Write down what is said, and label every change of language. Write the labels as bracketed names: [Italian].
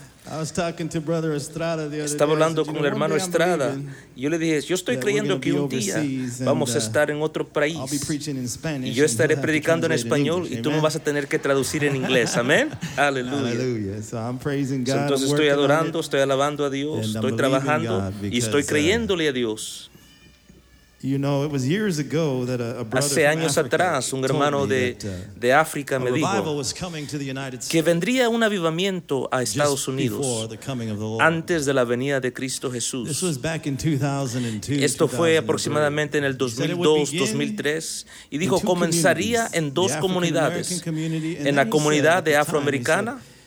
[English] I was talking to Brother Estrada the other [Spanish] Estaba [English] day. [Spanish] Hablando con el hermano Estrada. Yo le dije, yo estoy creyendo que un día vamos a estar en otro país. Y yo estaré predicando en español y tú me vas a tener que traducir en inglés. Amén. Aleluya. Entonces estoy adorando, estoy alabando a Dios, estoy trabajando y estoy creyéndole a Dios. [English] You know, it was years ago that a brother [Spanish] Hace años atrás, un hermano de África me dijo que vendría un avivamiento a Estados Unidos antes de la venida de Cristo Jesús. [English] This was back in 2002, [Spanish] Esto fue aproximadamente en el 2002-2003 y dijo comenzaría en dos comunidades, en la comunidad de afroamericana.